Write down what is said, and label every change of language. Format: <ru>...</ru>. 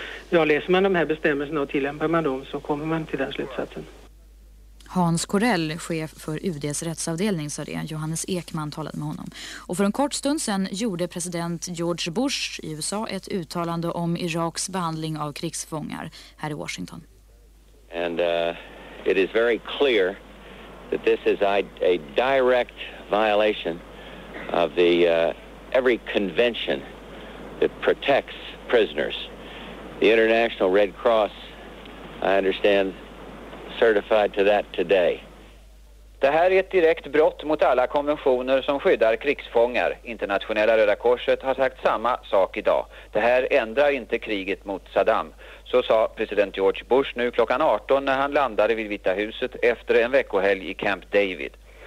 <sv>Ja, läser man de här bestämmelserna och tillämpar man dem så kommer man till den slutsatsen. Hans Korell, chef för UDs rättsavdelning, sa det. Johannes Ekman talade med honom. Och för en kort stund sedan gjorde president George Bush i USA ett uttalande om Iraks behandling av krigsfångar här i Washington.</sv> <en>And it is very clear that this is a direct violation of the every convention that protects prisoners. The International Red Cross, I understand, certified to that today.</en> <sv>Det här är ett direkt brott mot alla konventioner som skyddar krigsfångar. Internationella Röda Korset har sagt samma sak idag. Det här ändrar inte kriget mot Saddam. Så sa president George Bush nu klockan 18 när han landade vid Vita huset efter en veckohelg i Camp David.</sv>